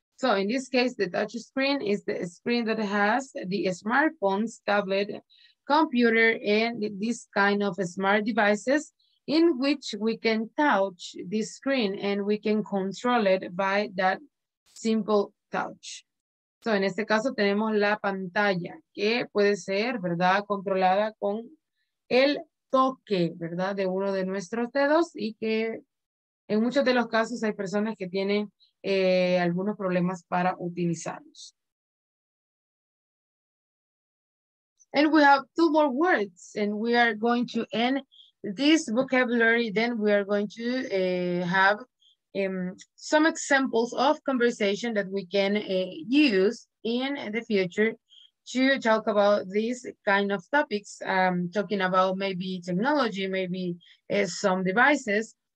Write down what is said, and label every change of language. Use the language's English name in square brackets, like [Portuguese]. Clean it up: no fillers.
[English] So in this case, the touch screen is the screen that has the smartphones, tablet, computer, and this kind of smart devices in which we can touch the screen and we can control it by that simple touch. [Spanish] So en este caso tenemos la pantalla que puede ser, ¿verdad?, controlada con el toque, ¿verdad?, de uno de nuestros dedos y que en muchos de los casos hay personas que tienen algunos problemas para utilizarlos. [English] And we have two more words and we are going to end this vocabulary. Then we are going to have some examples of conversation that we can use in the future to talk about these kind of topics, talking about maybe technology, maybe some devices.